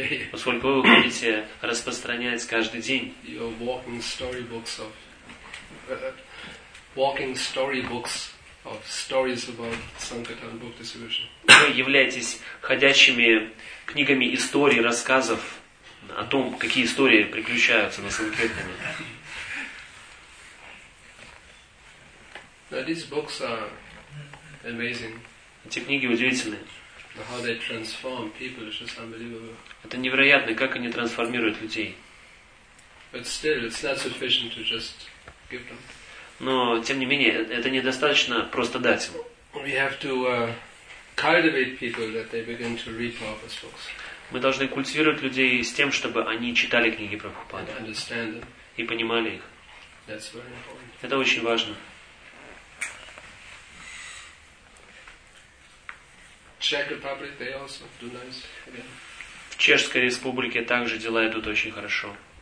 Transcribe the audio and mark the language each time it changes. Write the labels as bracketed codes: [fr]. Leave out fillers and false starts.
[ru] Поскольку вы выходите распространять каждый день. [en] Your walking story books of walking story books of stories about Sankirtan book distribution. [ru] Вы являетесь ходячими книгами историй, рассказов о том, какие истории приключаются на Санкиртане. [en] Now these books are amazing. [ru] Эти книги удивительные. [en] How they transform people is just unbelievable. [ru] Это невероятно, как они трансформируют людей. [en] But still, it's not sufficient to just give them. [ru] Но тем не менее, это недостаточно просто дать им. [en] We have to cultivate people that they begin to read Prabhupada's books. [ru] Мы должны культивировать людей с тем, чтобы они читали книги Прабхупады. [en] And understand them. [ru] И понимали их. [en] That's very important. [ru] Это очень важно. В Чешской Республике также дела идут очень хорошо.